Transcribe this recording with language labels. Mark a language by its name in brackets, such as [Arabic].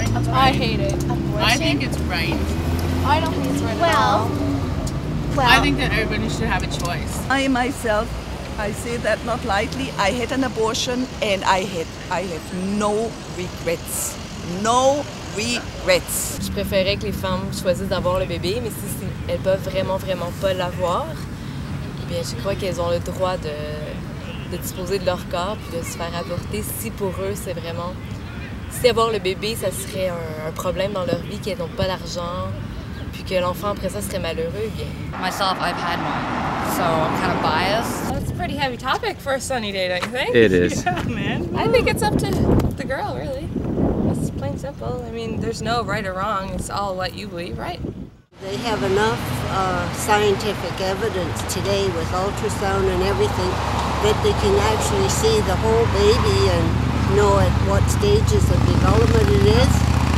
[English] I hate it. Abortion? I think it's right. I don't think it's right at all. I think that everybody should have a choice. I myself, I say that not lightly. I had an abortion and I have no regrets. No regrets. [French] Je préférerais que les femmes choisissent d'avoir le bébé, mais si elles peuvent vraiment, vraiment pas l'avoir, bien je crois qu'elles ont le droit de disposer de leur corps puis de se faire avorter si pour eux c'est vraiment. Si avoir le bébé, ça serait un problème dans leur vie, qu'elles n'ont pas d'argent, puis que l'enfant après ça serait malheureux, bien. [English] Myself, I've had one, so I'm kind of biased. A pretty heavy topic for a sunny day, don't you think? It is. Yeah, man. I think it's up to the girl, really. It's plain simple. I mean, there's no right or wrong. It's all what you believe, right? They have enough scientific evidence today with ultrasound and everything that they can actually see the whole baby and know at what stages of development it is.